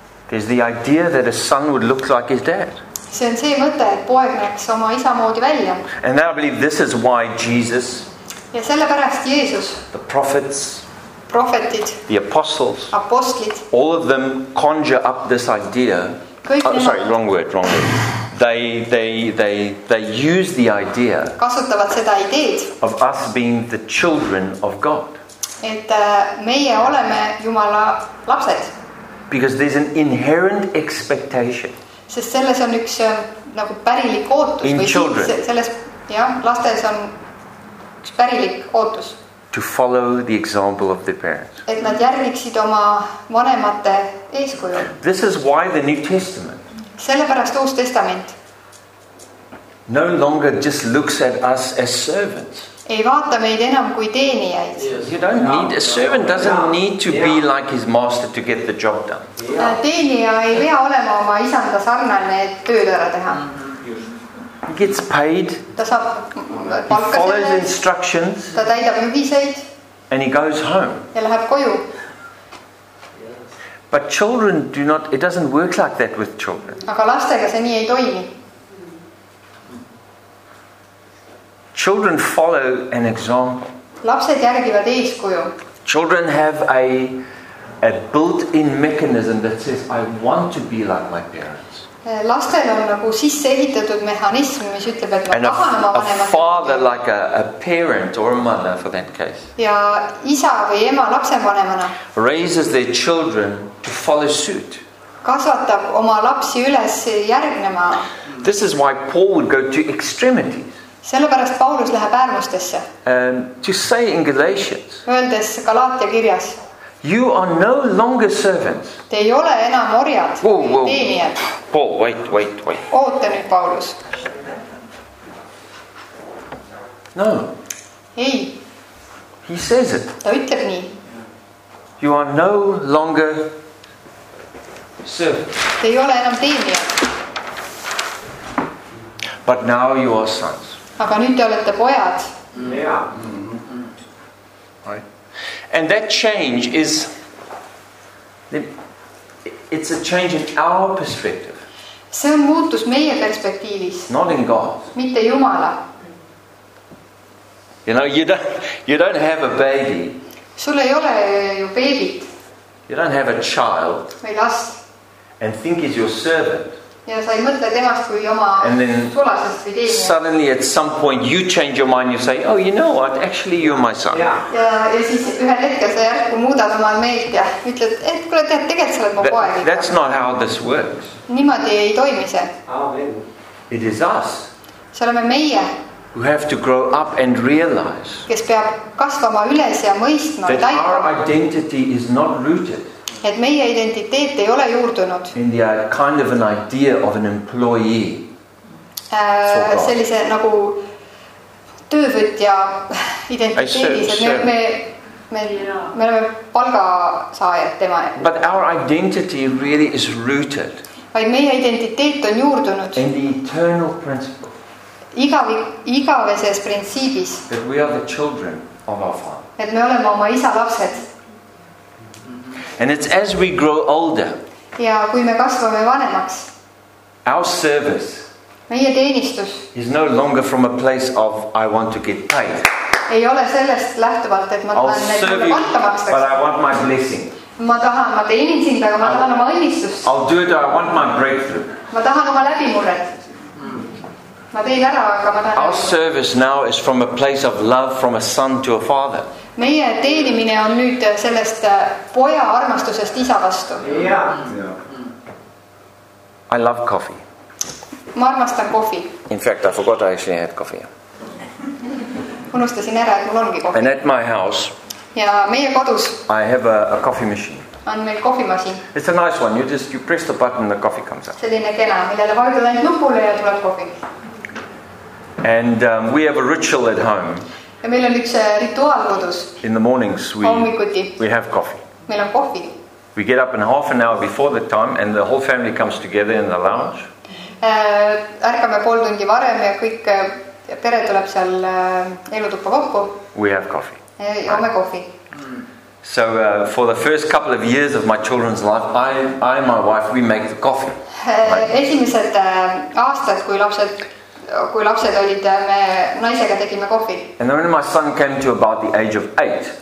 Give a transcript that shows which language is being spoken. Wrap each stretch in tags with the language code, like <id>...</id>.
<en>Is the idea that a son would look like his dad.</en> <et>See on see mõte, et poeg näeks oma isa moodi välja.</et> <en>And I believe this is why Jesus.</en> <et>Ja sellepärast Jeesus.</et> <en>The prophets.</en> <et>Prophetid.</et> <en>The apostles.</en> <et>Apostlid.</et> <en>All of them conjure up this idea. Wrong word. They use the idea.</en> <et>Kasutavad seda ideed.</et> <en>Of us being the children of God.</en> <et>Et meie oleme Jumala lapsed.</et> <en>Because there's an inherent expectation.</en> <et>Sest selles on üks nagu pärilik ootus</et> <en>in children.</en> <et>Selles ja lastes on üks pärilik ootus.</et> <en>To follow the example of their parents.</en> <et>Et nad järgiksid oma vanemate eeskuju.</et> <en>This is why the New Testament.</en> <et>Sellepärast Uus Testament.</et> <en>No longer just looks at us as servants.</en> <et>Ei vaata meid enam kui teenijaid.</et> <en>You don't need a servant doesn't need to be like his master to get the job done.</en> <et>Teenija ei pea olema oma isanda sarnane, et tööd ära teha.</et> <en>He gets paid.</en> <et>Ta saab palka.</et> <en>He follows instructions.</en> <et>Ta täidab juhiseid.</et> <en>And he goes home.</en> <et>Ja läheb koju.</et> <en>But children do not it doesn't work like that with children.</en> <et>Aga lastega see nii ei toimi.</et> <en>Children follow an example.</en> <et>Lapsed järgivad eeskuju.</et> <en>Children have a built-in mechanism that says I want to be like my parents.</en> <et>Lastel on nagu sisse ehitatud mehhanism, mis ütleb, et ma tahan oma vanemat.</et> <en>A father like a parent or a mother for that case.</en> <et>Ja isa või ema lapsevanemana.</et> <en>Raises their children to follow suit.</en> <et>Kasvatab oma lapsi üles järgnema.</et> <en>This is why Paul would go to extremities.</en> <et>Sellepärast Paulus läheb äärmustesse.</et> <en>To say in Galatians.</en> <et>Öeldes Galaatia kirjas.</et> <en>You are no longer servants.</en> <et>Te ei ole enam orjad. Teenijad.</et> <en>Paul, wait.</en> <et>Oota nüüd, Paulus.</et> <en>No.</en> <et>Ei.</et> <en>He says it.</en> <et>Ta ütleb nii.</et> <en>You are no longer servants.</en> <et>Te ei ole enam teenijad.</et> <en>But now you are sons.</en> <et>Aga nüüd te olete pojad.</et> <en>Right. And that change is it's a change in our perspective.</en> <et>See on muutus meie perspektiivis.</et> <en>Not in God.</en> <et>Mitte Jumala.</et> <en>You know, you don't have a baby.</en> <et>Sul ei ole ju beebit.</et> <en>You don't have a child.</en> <et>Või last.</et> <en>And think is your servant.</en> <et>Ja sa ei mõtle temast kui oma sulasest või teine.</et> <en>Suddenly at some point you change your mind, you say, oh, you know what, actually you're my son.</en> <et>Ja siis ühel hetkel sa järgku muudad oma meelt ja ütled, et kuule tead, tegelikult sa oled ma poeg.</et> <en>That's not how this works.</en> <et>Niimoodi ei toimi see.</et> <en>Amen. It is us.</en> <et>See oleme meie.</et> <en>Who have to grow up and realize.</en> <et>Kes peab kasvama üles ja mõistma.</et> <en>That our identity is not rooted.</en> <et>Et meie identiteet ei ole juurdunud.</et> <en>In the kind of an idea of an employee.</en> <et>Sellise nagu töövõtja identiteedis, et me oleme palgasaajad tema.</et> <en>But our identity really is rooted.</en> <et>vaid meie identiteet on juurdunud</et> <en>in the eternal principle.</en> <et>Igaveses printsiibis.</et> <en>That we are the children of our father.</en> <et>Et me oleme oma isa lapsed.</et> <en>And it's as we grow older.</en> <et>Ja kui me kasvame vanemaks.</et> <en>Our service.</en> <et>Meie teenistus.</et> <en>Is no longer from a place of I want to get paid.</en> <et>Ei ole sellest lähtuvalt, et ma tahan neid selle kontamaks.</et> <en>But I want my blessing.</en> <et>Ma tahan, ma teenin sind, aga ma tahan oma õnnistust.</et> <en>I'll do it, I want my breakthrough.</en> <et>Ma tahan oma läbimurret. Ma tein ära, aga ma tahan.</et> <en>Our service now is from a place of love from a son to a father.</en> <et>Meie teenimine on nüüd sellest poja armastusest isa vastu.</et> <en>Yeah. I love coffee.</en> <et>Ma armastan kohvi.</et> <en>In fact, I forgot I actually had coffee.</en> <et>Unustasin ära, et mul ongi kohvi.</et> <en>And at my house.</en> <et>Ja meie kodus.</et> <en>I have a coffee machine.</en> <et>On meil kohvimasin.</et> <en>It's a nice one. You press the button and the coffee comes out.</en> <et>Selline kena, millele vajutad ainult nupule ja tuleb kohvi.</et> <en>And we have a ritual at home.</en> <et>Ja meil on üks rituaal kodus.</et> <en>In the mornings we have coffee.</en> <et>Meil on kohvi.</et> <en>We get up in half an hour before the time and the whole family comes together in the lounge.</en> <et>Ärkame pool tundi varem ja kõik pere tuleb seal elutuppa kokku.</et> <en>We have coffee.</en> <et>Ja oleme kohvi.</et> <en>So for the first couple of years of my children's life, I and my wife, we make the coffee.</en> <et>Esimesed aastad, kui lapsed olid, me naisega tegime kohvi.</et> <en>And then when my son came to about the age of 8.</en>